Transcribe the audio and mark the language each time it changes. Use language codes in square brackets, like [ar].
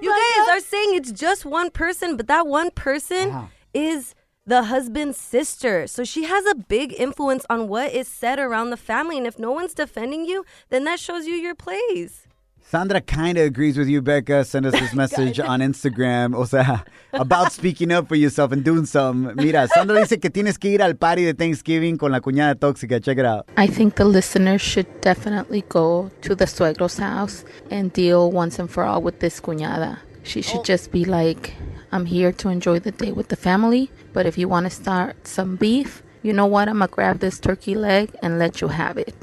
[en] you guys are saying it's just one person, but that one person is the husband's sister. So she has a big influence on what is said around the family. And if no one's defending you, then that shows you your place. Sandra kind of agrees with you, Becca. Send us this message on Instagram. [es] O sea, [en] about speaking up for yourself and doing something. [es] Mira, Sandra dice que tienes que ir al party de Thanksgiving con la cuñada tóxica. [en] Check it out. I think the listener should definitely go to the suegro's house and deal once and for all with this cuñada. She should just be like, I'm here to enjoy the day with the family. But if you want to start some beef, you know what? I'm going to grab this turkey leg and let you have it.